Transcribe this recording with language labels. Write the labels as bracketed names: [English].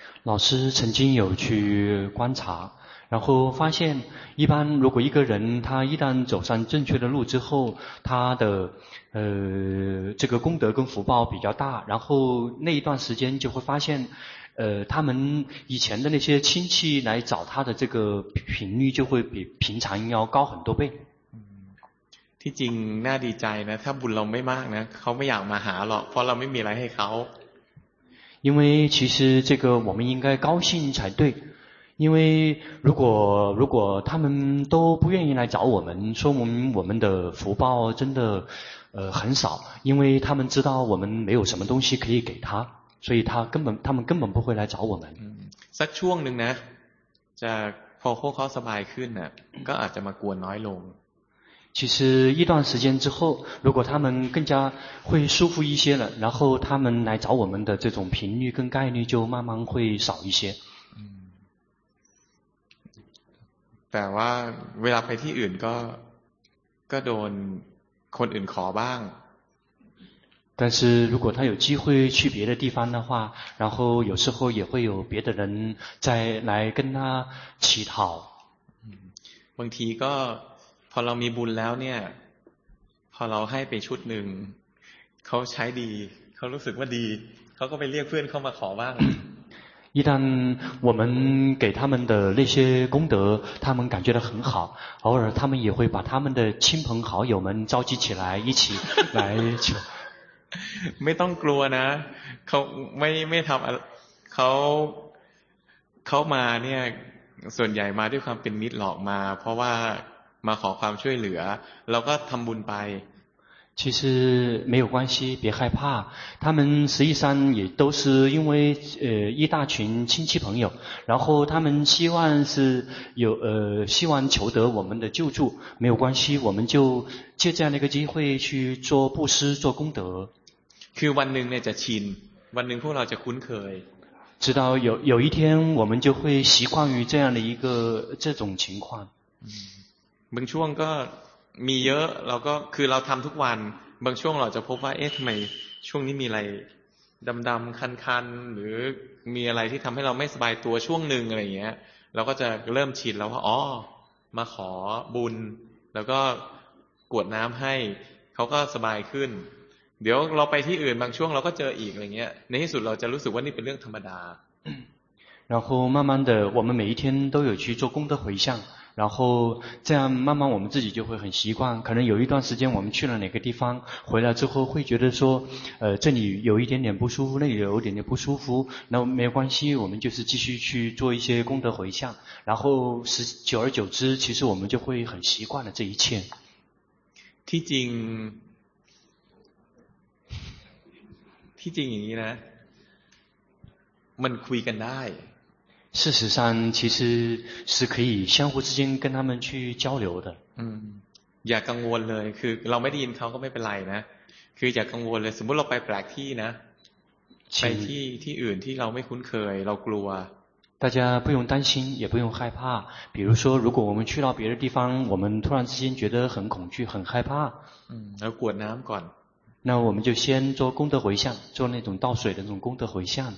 [Chinese] 老师曾经有去观察然后发现一般如果一个人他一旦走上正确的路之后他的这个功德跟福报比较大然后那一段时间就会发现他们以前的那些亲戚来找他的这个频率就会比平常要高很多倍 [Thai] ที่จริงน่าดีใจนะถ้าบุญเราไม่มากนะเขาไม่อยากมาหาหรอกเพราะเราไม่มีอะไรให้เขา [Chinese] 因为其实这个我们应该高兴才对因为如果他们都不愿意来找我们说我们的福报真的很少因为他们知道我们没有什么东西可以给他所以他们根本不会来找我们 [Thai] สักช่วงหนึ่งนะจะพอพวกเขาสบายขึ้นนะก็อาจจะมากวนน้อยลง [Chinese] 其实一段时间之后如果他们更加会舒服一些了然后他们来找我们的这种频率跟概率就慢慢会少一些 [Thai] แต่ว่าเวลาไปที่อื่นก็โดนคนอื่นขอบ้าง [Chinese] 但是如果他有机会去别的地方的话然后有时候也会有别的人再来跟他乞讨 [Thai] บางทีก็พอเรามีบุญแล้วเนี่ยพอเราให้ไปชุดหนึ่งเขาใช้ดีเขารู้สึกว่าดีเขาก็ไปเรียกเพื่อนเข้ามาขอบ้าง [Chinese] 一旦我们给他们的那些功德他们感觉得很好偶尔他们也会把他们的亲朋好友们召集起来一起来求 [Thai] ไม่ต้องกลัวนะเขาไม่ทำเขามาเนี่ยส่วนใหญ่มาด้วยความเป็นมิตรหลอกมาเพราะว่ามาขอความช่วยเหลือเราก็ทำบุญไป [Chinese] 其实没有关系别害怕他们实际上也都是因为一大群亲戚朋友然后他们希望求得我们的救助没有关系我们就借这样的一个机会去做布施做功德 [Thai] คือวันหนึ่งเนี่ยจะชินวันหนึ่งพวกเราจะคุ้นเคย [Chinese] 直到有一天我们就会习惯于这样的一个这种情况 [Thai] บางช่วงก็มีเยอะเราก็คือเราทำทุกวันบางช่วงเราจะพบว่าเอ๊ะทำไมช่วงนี้มีอะไรดำๆคันๆหรือมีอะไรที่ทำให้เราไม่สบายตัวช่วงหนึ่งอะไรอย่างเงี้ยเราก็จะเริ่มชินแล้วว่าอ๋อมาขอบุญแล้วก็กวดน้ำให้เขาก็สบายขึ้นเดี๋ยวเราไปที่อื่นบางช่วงเราก็เจออีกอะไรเงี้ยในที่สุดเราจะรู้สึกว่านี่เป็นเรื่องธรรมดา [Chinese] 然后慢慢的我们每一天都有去做功德回向然后这样慢慢我们自己就会很习惯可能有一段时间我们去了哪个地方回来之后会觉得说这里有一点点不舒服那里有一点点不舒服那没有关系我们就是继续去做一些功德回向然后久而久之其实我们就会很习惯了这一切 [Thai] ที่จริงอย่างนี้นะมันคุยกันได้ [Chinese] 事实上其实是可以相互之间跟他们去交流的 [Thai] อย่ากังวลเลยคือเราไม่ได้ยินเขาก็ไม่เป็นไรนะคืออย่ากังวลเลยสมมุติเราไปแปลกที่นะไปที่อื่นที่เราไม่คุ้นเคยเรากลัว [Chinese] 大家不用担心也不用害怕比如说如果我们去到别的地方我们突然之间觉得很恐惧很害怕 [Thai] แล้วกวดน้ำก่อน [Chinese] 那我们就先做功德回向做那种倒水的那种功德回向